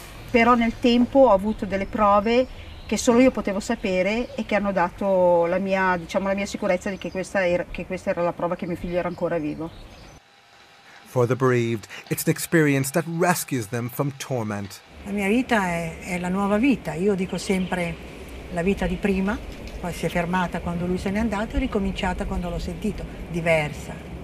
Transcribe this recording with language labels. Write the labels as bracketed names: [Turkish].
[Italian] Però nel tempo ho avuto delle prove che solo io potevo sapere e che hanno dato la mia, diciamo, la mia sicurezza di che questa era la prova che mio figlio era ancora vivo. [English] For the bereaved, it's an experience that rescues them from torment. [Italian] La mia vita è la nuova vita. Io dico sempre la vita di prima, poi si è fermata quando lui se n'è andato e ricominciata quando l'ho sentito, diversa.